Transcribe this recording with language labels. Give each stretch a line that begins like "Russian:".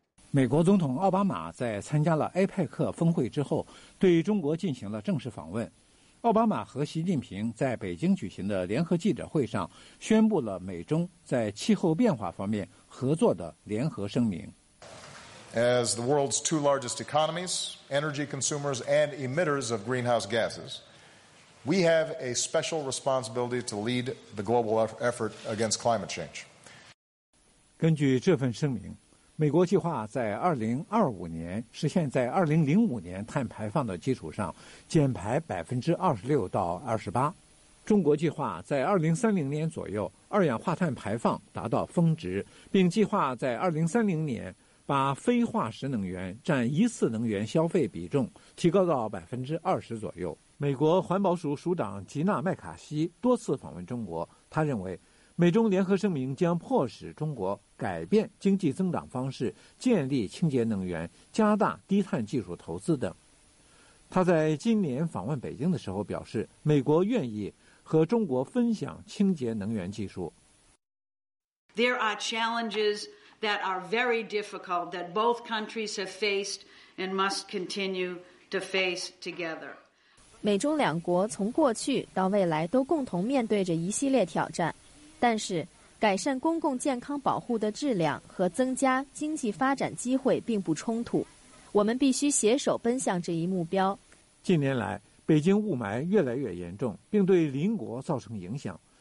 Chinese: 美国总统奥巴马在参加了 APEC 峰会之后，对中国进行了正式访问。奥巴马和习近平在北京举行的联合记者会上宣布了美中在气候变化方面合作的联合声明。
English: As the world's two largest economies, energy consumers and emitters of greenhouse gases, we have a special responsibility to lead the global effort against climate change.
Chinese: 根据这份声明，美国计划在2025年实现在2005年碳排放的基础上减排26%-28%，中国计划在2030年左右二氧化碳排放达到峰值，并计划在2030年把非化石能源占一次能源消费比重提高到20%左右。美国环保署署长吉娜麦卡锡多次访问中国，他认为美中联合声明将迫使中国改变经济增长方式，建立清洁能源，加大低碳技术投资等。他在今年访问北京的时候表示，美国愿意和中国分享清洁能源技术。
English: There are challenges that are very difficult that both countries have faced and must continue to face together.
Chinese: 美中两国从过去到未来都共同面对着一系列挑战。但是改善公共健康保护的质量和增加经济发展机会并不冲突，我们必须携手奔向这一目标。近年来北京雾霾越来越严重，并对邻国造成影响。